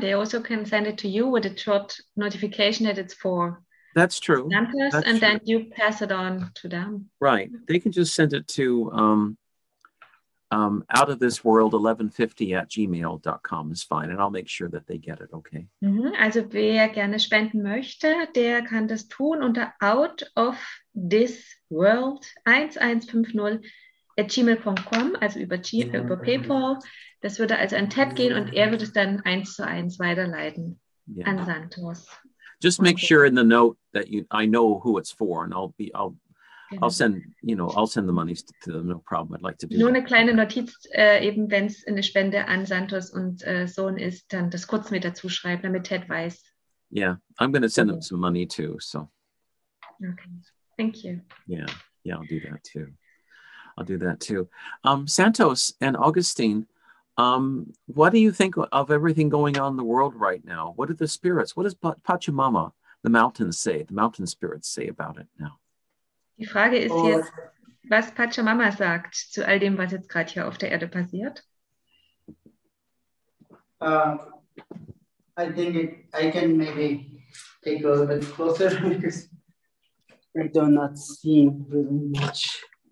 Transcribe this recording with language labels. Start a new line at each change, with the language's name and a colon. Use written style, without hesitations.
English: They also can send it to you with a short notification that it's for. That's true. Santos, that's and true. Then you pass it on to them. Right. They can just send it to out of this world 1150@gmail.com is fine, and I'll make sure that they get it. Okay. Mm-hmm.
German: Also, wer gerne spenden möchte, der kann das tun unter out of this world 1150@gmail.com, also über über PayPal. Das würde also an Ted gehen, und er würde es dann 1:1 weiterleiten an Santos.
English: Just make sure in the note that I know who it's for, and I'll send the money to them, no problem. I'd like to do
German: nur eine kleine Notiz, eben wenn es eine Spende an Santos und Sohn ist, dann das kurz mit dazu schreiben, damit Ted weiß.
English: Yeah, I'm going to send them some money too, so. Okay, thank you. Yeah, I'll do that too. Santos and Augustine, what do you think of everything going on in the world right now? What are the spirits, what does Pachamama, the mountains say, the mountain spirits say about it now?
German: Die Frage ist jetzt, was Pachamama sagt zu all dem, was jetzt gerade hier auf der Erde passiert.
English: I think I can maybe take a little bit closer because I do not see really much.